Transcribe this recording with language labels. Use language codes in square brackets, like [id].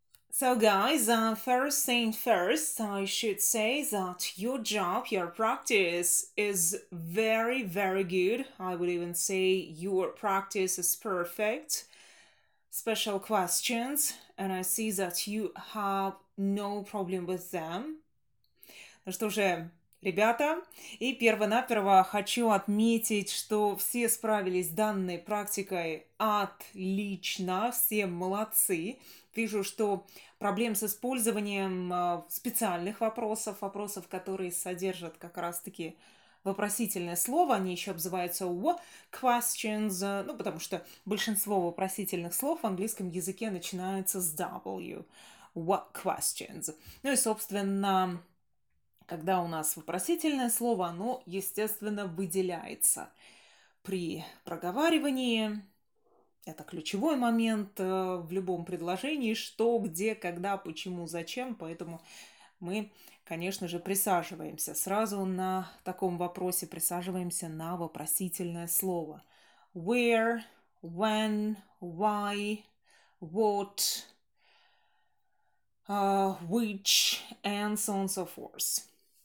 [en] So guys, first thing first, I should say that your job, your practice is very, very good. I would even say your practice is perfect. Special questions, and I see that you have no problem with them. [ru] Ну что же, ребята, и перво-наперво хочу отметить, что все справились с данной практикой отлично, все молодцы. Вижу, что проблем с использованием специальных вопросов, вопросов, которые содержат как раз-таки вопросительное слово, они еще обзываются [en] what questions, [ru] ну, потому что большинство вопросительных слов в английском языке начинаются с W, what questions. Ну и, собственно, когда у нас вопросительное слово, оно, естественно, выделяется при проговаривании. Это ключевой момент в любом предложении, что, где, когда, почему, зачем. Поэтому мы, конечно же, присаживаемся сразу на таком вопросе, присаживаемся на вопросительное слово. [en] Where, when, why, what, which, and so on, so forth.